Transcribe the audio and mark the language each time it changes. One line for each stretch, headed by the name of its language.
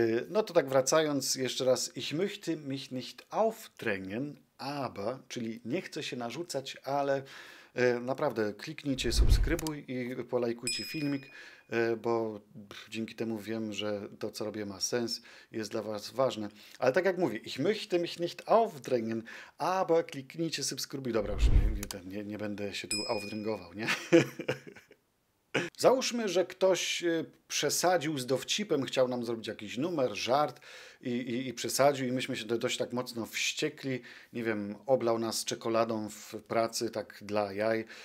Polish: No to tak wracając jeszcze raz.
German: Ich möchte mich nicht aufdrängen, aber,
Polish: czyli nie chcę się narzucać, ale naprawdę kliknijcie subskrybuj i polajkujcie filmik, bo dzięki temu wiem, że to, co robię, ma sens, jest dla was ważne. Ale tak jak mówię,
German: ich möchte mich nicht aufdrängen, aber
Polish: kliknijcie subskrybuj. Dobra, już nie będę się tu aufdręgował, nie? Załóżmy, że ktoś przesadził z dowcipem, chciał nam zrobić jakiś numer, żart i przesadził i myśmy się dość tak mocno wściekli, nie wiem, oblał nas czekoladą w pracy, tak dla jaj.